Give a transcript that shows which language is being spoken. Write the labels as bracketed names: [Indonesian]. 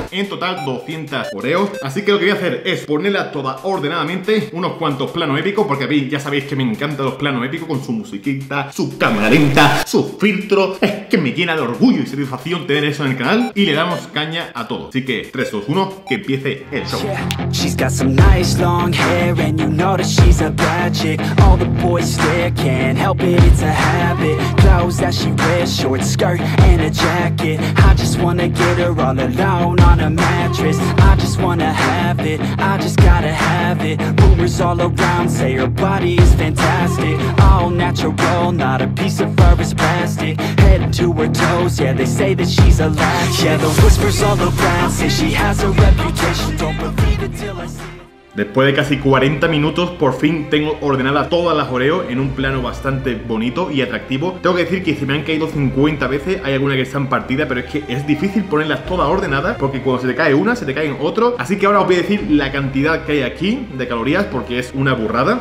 [Spanish] En total 200 Oreos. Así que lo que voy a hacer es ponerla toda ordenadamente. Unos cuantos planos épicos, porque a mí ya sabéis que me encantan los planos épicos, con su musiquita, su cámara lenta, su filtro. Es que me llena de orgullo y satisfacción tener eso en el canal. Y le damos caña a todo. Así que 3, 2, 1, que empiece el show. [English] Yeah, she's got some nice long hair and you know that she's a bad chick. All the boys there can't help. It's a habit, clothes that she wears, short skirt and a jacket. I just wanna get her all alone on a mattress. I just wanna have it, I just gotta have it. Rumors all around say her body is fantastic. All natural, not a piece of fur is plastic. Head to her toes, yeah, they say that she's a latch. Yeah, the whispers all around say she has a reputation. Don't believe it till I see. [Spanish] Después de casi 40 minutos, por fin tengo ordenada todas las Oreo en un plano bastante bonito y atractivo. Tengo que decir que se me han caído 50 veces, hay algunas que están partidas, pero es que es difícil ponerlas todas ordenadas, porque cuando se te cae una, se te caen otro. Así que ahora os voy a decir la cantidad que hay aquí de calorías, porque es una burrada.